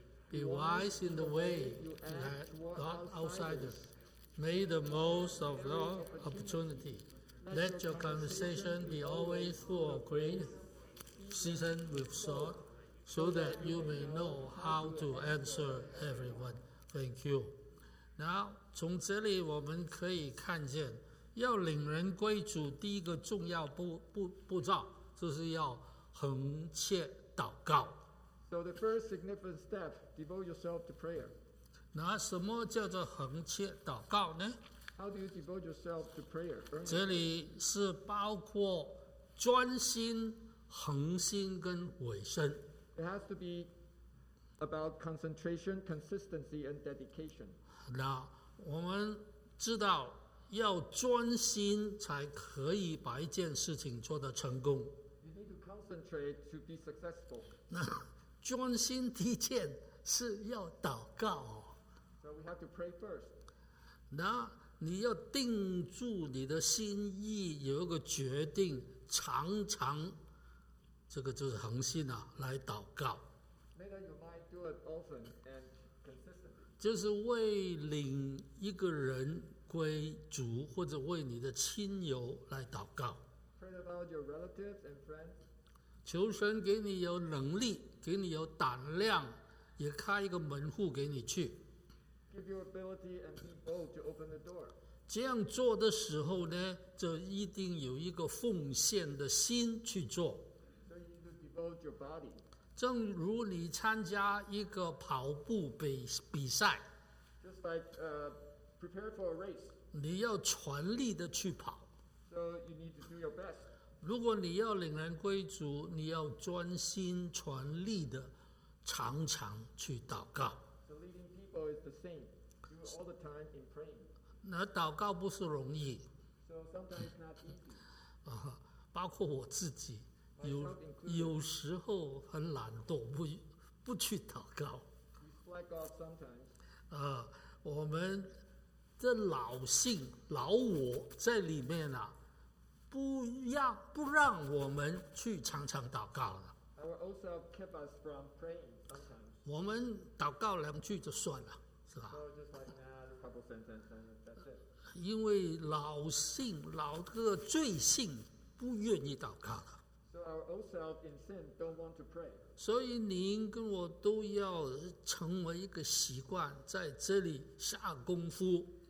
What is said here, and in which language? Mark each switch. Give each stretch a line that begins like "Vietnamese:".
English: Be wise in the way you act, not outsiders. Make the most of the opportunity. Let your conversation be always full of grace, seasoned with salt, so that you may know how to answer everyone. Thank you.
Chinese: Now, 从这里我们可以看见，要领人归主，第一个重要步骤就是要恒切祷告。
English: So the first significant step, devote yourself to prayer.
Chinese: 那什么叫做恒切祷告呢？
English: How do you devote yourself to prayer?
Chinese: 这里是包括专心、恒心跟委身。
English: It has to be about concentration, consistency, and dedication.
Chinese: 那我们知道要专心才可以把一件事情做得成功。
English: You need to concentrate to be successful.
Chinese: 那专心第一件是要祷告。
English: So we have to pray first.
Chinese: 那你要定住你的心意，有一个决定，常常，这个就是恒心啊，来祷告。
English: May that your mind do it often and consistently.
Chinese: 就是为领一个人归主，或者为你的亲友来祷告。
English: Pray about your relatives and friends.
Chinese: 求神给你有能力，给你有胆量，也开一个门户给你去。
English: Give you ability and be bold to open the door.
Chinese: 这样做的时候呢，就一定有一个奉献的心去做。
English: So you need to devote your body.
Chinese: 正如你参加一个跑步比赛。
English: Just like, prepare for a race.
Chinese: 你要全力的去跑。
English: So you need to do your best.
Chinese: 如果你要领人归主，你要专心全力的常常去祷告。
English: So leading people is the same. You are all the time in praying.
Chinese: 那祷告不是容易。
English: So sometimes not easy.
Chinese: 包括我自己，
English: Myself、
Chinese: 有时候很懒惰，不去祷告。
English: We slack off sometimes.
Chinese: 我们的老性、老我在里面啊。不让我们去常常祷告了。
English: Our old self kept us from praying sometimes.
Chinese: 我们祷告两句就算了，是吧？
English: So just like a couple sentences, and that's it.
Chinese: 因为老性、老个罪性不愿意祷告了。
English: So our old self in sin don't want to pray.
Chinese: 所以您跟我都要成为一个习惯，在这里下功夫。